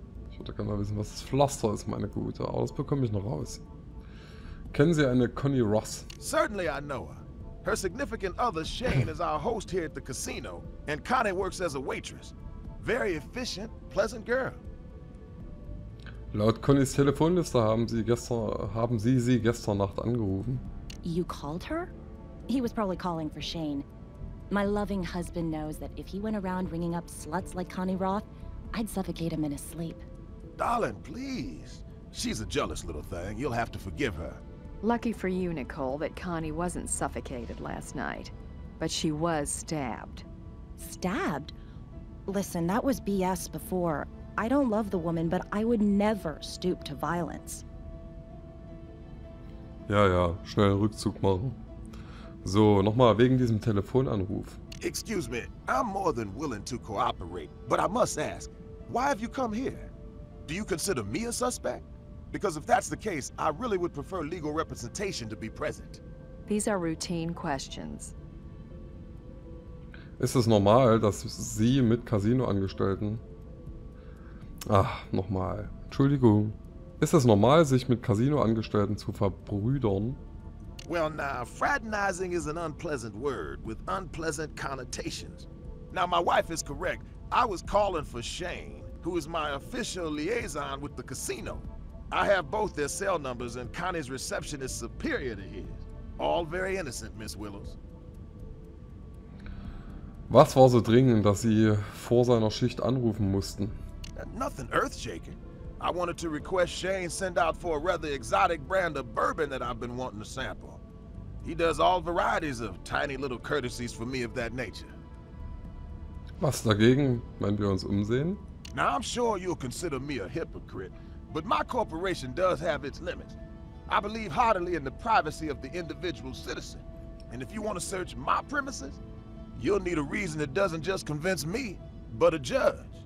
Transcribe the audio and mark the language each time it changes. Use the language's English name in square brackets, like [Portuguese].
[German] Ich würde gerne mal wissen, was das Pflaster ist, meine Gute. Aber das bekomme ich noch raus. Kennen Sie eine Connie Ross? [English] Certainly I know her. Her significant other, Shane, is our host here at the casino. And Connie works as a waitress. Very efficient, pleasant girl. [German] Laut Connys Telefonliste haben sie gestern Nacht angerufen. [English] You called her? He was probably calling for Shane. My loving husband knows that if he went around ringing up sluts like Connie Roth, I'd suffocate him in his sleep. Darling, please. She's a jealous little thing. You'll have to forgive her. Lucky for you, Nicole, that Connie wasn't suffocated last night. But she was stabbed. Stabbed? Listen, that was BS before. I don't love the woman, but I would never stoop to violence. [German] Ja, ja, schnell einen Rückzug machen. So, nochmal wegen diesem Telefonanruf. [English] Excuse me, I'm more than willing to cooperate, but I must ask, why have you come here? Do you consider me a suspect? Because if that's the case, I really would prefer legal representation to be present. These are routine questions. [German] Ist es normal, dass Sie mit Casino-Angestellten... Ach, nochmal. Entschuldigung. Ist es normal, sich mit Casino-Angestellten zu verbrüdern? [English] Well now, fraternizing is an unpleasant word with unpleasant connotations. Now my wife is correct. I was calling for Shane, who is my official liaison with the casino. I have both their cell numbers and Connie's reception is superior to his. All very innocent, Miss Willows. [German] Was war so dringend, dass Sie vor seiner Schicht anrufen mussten? [English] Nothing earth-shaking. I wanted to request Shane send out for a rather exotic brand of bourbon that I've been wanting to sample. He does all varieties of tiny little courtesies for me of that nature. [German] Was dagegen, wenn wir uns umsehen? [English] Now I'm sure you'll consider me a hypocrite, but my corporation does have its limits. I believe heartily in the privacy of the individual citizen. And if you want to search my premises, you'll need a reason that doesn't just convince me, but a judge.